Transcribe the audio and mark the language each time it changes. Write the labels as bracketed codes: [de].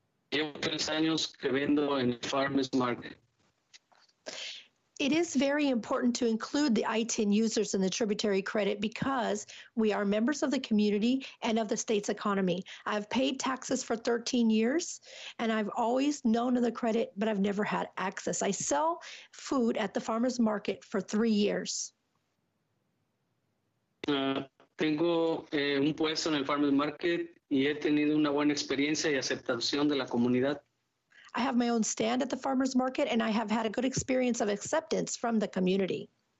[es] Llevo 3 años que vendo en el Farmers Market. [en] it is very important to include the I-10 users in the tributary credit because we are members of the community and of the state's economy. I've paid taxes for 13 years, and I've always known of the credit, but I've never had access. I sell food at the farmer's market for 3 years. [es] Tengo un puesto en el farmer's market y he tenido una buena experiencia y aceptación de la comunidad. [en] I have my own stand at the farmer's market, and I have had a good experience of acceptance from the community.